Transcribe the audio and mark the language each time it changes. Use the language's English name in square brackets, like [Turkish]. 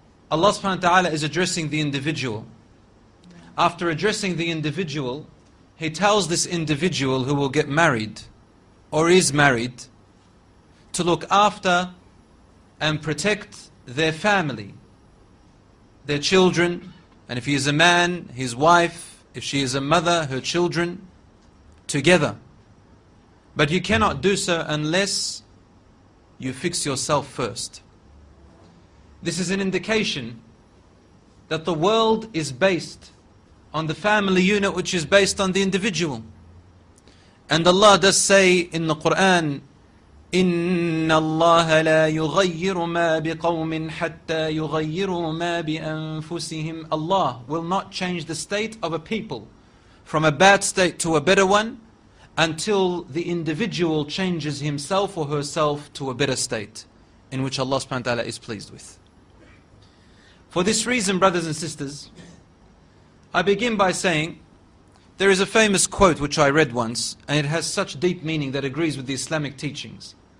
[English] Allah subhanahu wa ta'ala is addressing the individual. After addressing the individual, He tells this individual who will get married or is married to look after and protect their family, their children, and if he is a man, his wife, if she is a mother, her children, together. But you cannot do so unless you fix yourself first. This is an indication that the world is based on the family unit, which is based on the individual. [Arabic] And Allah does say in the Quran, إِنَّ اللَّهَ لَا يُغَيِّرُ مَا بِقَوْمٍ حَتَّى يُغَيِّرُ مَا بِأَنفُسِهِمْ. [English] Allah will not change the state of a people from a bad state to a better one until the individual changes himself or herself to a better state in which Allah subhanahu wa ta'ala is pleased with. For this reason, brothers and sisters, I begin by saying, there is a famous quote which I read once, and it has such deep meaning that agrees with the Islamic teachings.